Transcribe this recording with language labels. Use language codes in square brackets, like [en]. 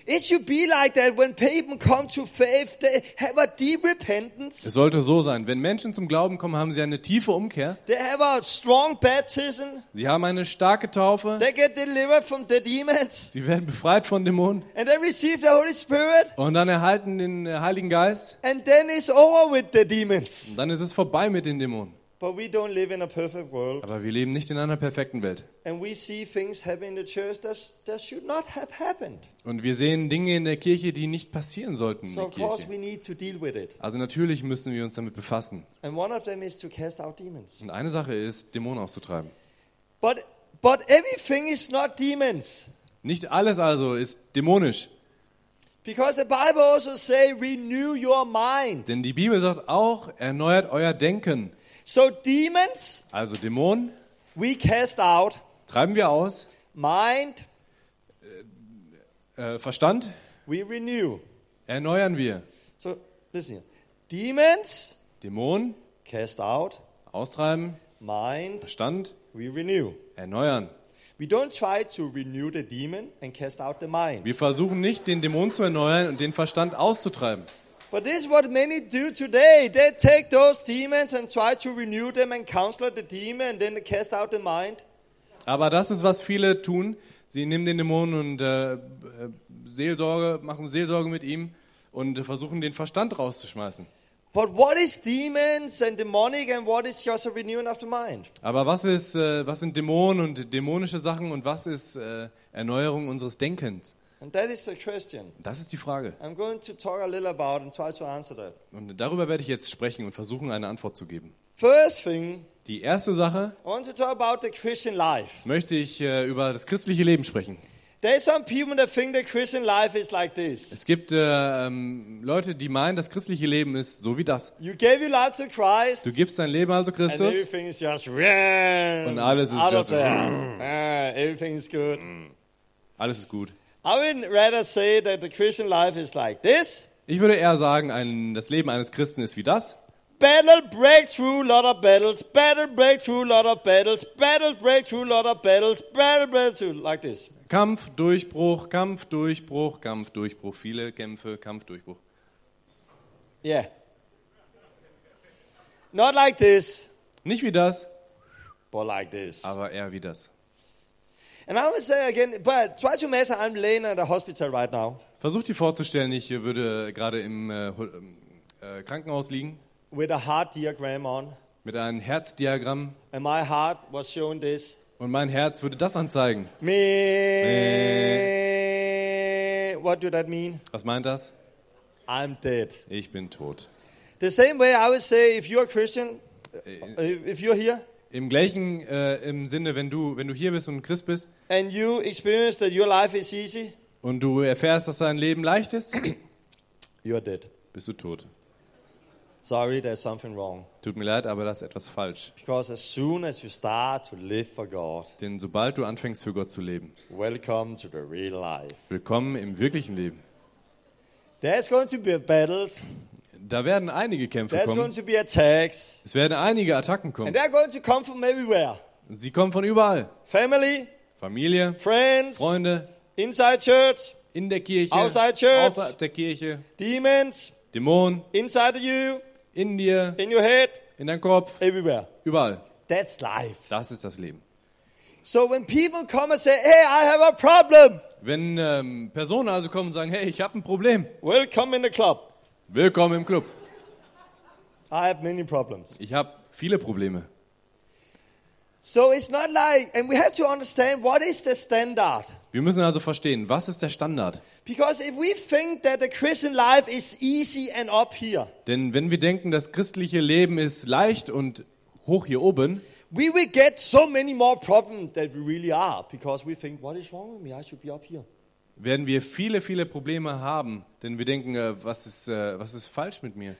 [en] It should be like that when people come to faith, they have a deep repentance. [de] Es sollte so sein, wenn Menschen zum Glauben kommen, haben sie eine tiefe Umkehr. [en] They have a strong baptism. [de] Sie haben eine starke Taufe. [en] They get delivered from the demons. [de] Sie werden befreit von Dämonen. [en] And they receive the Holy Spirit. [de] Und dann erhalten den Heiligen Geist. [en] And then it's over with the demons. [de] Und dann ist es vorbei mit den Dämonen. [en] But we don't live in a perfect world. [de] Aber wir leben nicht in einer perfekten Welt. [en] And we see things happen in the church that should not have happened. [de] Und wir sehen Dinge in der Kirche, die nicht passieren sollten. [en] So of course we need to deal with it. [de] Also natürlich müssen wir uns damit befassen. [en] And one of them is to cast out demons. [de] Und eine Sache ist, Dämonen auszutreiben. [en] But everything is not demons. [de] Nicht alles also ist dämonisch. [en] Because the Bible also say renew your mind. [de] Denn die Bibel sagt auch, erneuert euer Denken. [en] So demons, [de] also Dämonen, [en] we cast out, [de] treiben wir aus, [en] mind, [de] Verstand, [en] we renew, [de] erneuern wir. [en] So listen here. Demons, [de] Dämonen, [en] cast out, [de] austreiben, [en] mind, [de] Verstand, [en] we renew, [de] erneuern. [en] We don't try to renew the demon and cast out the mind. [de] Wir versuchen nicht, den Dämon zu erneuern und den Verstand auszutreiben. [en] But this is what many do today. They take those demons and try to renew them and counsel the demon and then they cast out the mind. [de] Aber das ist, was viele tun. Sie nehmen den Dämonen und machen Seelsorge mit ihm und versuchen, den Verstand rauszuschmeißen. [en] But what is demons and demonic and what is just a renewing of the mind? [de] Aber was sind Dämonen und dämonische Sachen und was ist Erneuerung unseres Denkens? [en] And that is the question. [de] Das ist die Frage. [en] I'm going to talk a little about and try to answer that. [de] Und darüber werde ich jetzt sprechen und versuchen, eine Antwort zu geben. [en] First thing. [de] Die erste Sache. [en] I want to talk about the Christian life. [de] Möchte ich über das christliche Leben sprechen. [en] There are some people that think the Christian life is like this. [de] Es gibt Leute, die meinen, das christliche Leben ist so wie das. [en] You gave your life to Christ. [de] Du gibst dein Leben also Christus. [en] And everything is just wrong. [de] Und alles ist just [en] wrong. Everything is good. [de] Alles ist gut. [en] I would rather say that the Christian life is like this. [de] Ich würde eher sagen, das Leben eines Christen ist wie das. [en] Battle breakthrough, lot of battles. Battle breakthrough, lot of battles. Battle breakthrough, lot of battles. Battle breakthrough, like this. [de] Kampf, Durchbruch, Kampf, Durchbruch, Kampf, Durchbruch. Viele Kämpfe, Kampf, Durchbruch. [en] Yeah. Not like this. [de] Nicht wie das. [en] but like this. [de] Aber eher wie das. [en] And I would say again, but try to imagine I'm laying in the hospital right now. [de] Versuch dir vorzustellen, ich würde gerade im Krankenhaus liegen. [en] With a heart diagram on. [de] Mit einem Herzdiagramm. [en] And my heart was showing this. [de] Und mein Herz würde das anzeigen. [en] Me. What do that mean? [de] Was meint das? [en] I'm dead. [de] Ich bin tot. [en] The same way I would say if you're a Christian, if you're here. [de] Im gleichen im Sinne, wenn du hier bist und Christ bist. [en] And you experience that your life is easy. [de] Und du erfährst, dass dein Leben leicht ist. [en] You're dead. [de] Bist du tot. [en] Sorry, there's something wrong. [de] Tut mir leid, aber das ist etwas falsch. [en] Because as soon as you start to live for God. [de] Denn sobald du anfängst für Gott zu leben. [en] Welcome to the real life. [de] Willkommen im wirklichen Leben. [en] There's going to be battles. [de] Da werden einige Kämpfe [en] there's [de] kommen. [en] Going to be attacks. [de] Es werden einige Attacken kommen. [en] And they're going to come from everywhere. [de] Sie kommen von überall. [en] Family. [de] Familie. [en] Friends. [de] Freunde. [en] Inside church. [de] In der Kirche. [en] Outside church. [de] Außerhalb der Kirche. [en] Demons. [de] Dämonen. [en] Inside you. [de] In dir. [en] In your head. [de] In deinem Kopf. [en] Everywhere. [de] Überall. [en] That's life. [de] Das ist das Leben. [en] So when people come and say, "Hey, I have a problem." [de] Wenn Personen also kommen und sagen, "Hey, ich habe ein Problem." [en] Welcome in the club. [de] Willkommen im Club. [en] I have many problems. [de] Ich habe viele Probleme. [en] So it's not like, and we have to understand what is the standard. [de] Wir müssen also verstehen, was ist der Standard? [en] Because if we think that the Christian life is easy and up here. [de] Denn wenn wir denken, das christliche Leben ist leicht und hoch hier oben. [en] We will get so many more problems that we really are, because we think, what is wrong with me? I should be up here. [de] Werden wir viele, viele Probleme haben, denn wir denken, was ist falsch mit mir?